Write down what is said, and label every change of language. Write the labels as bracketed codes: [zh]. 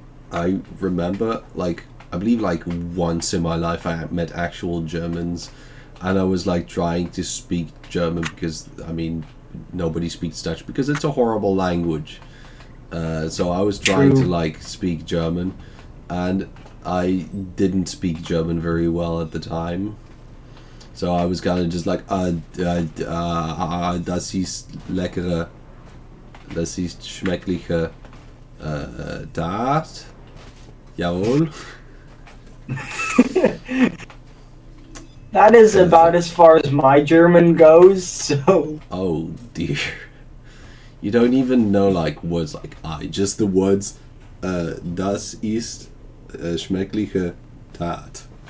[en] I remember, like, I believe, like, once in my life I met actual Germans, and I was, like, trying to speak German because, I mean, nobody speaks Dutch because it's a horrible language. So I was trying to, like, speak German, and I didn't speak German very well at the time. So I was kind of just like, [de] das ist leckere, das ist schmeckliche, das... Jawohl. [en] That is about as far as my German goes, so... Oh, dear. You don't even know, like, words like I. Just the words, [de] das ist schmeckliche Tat.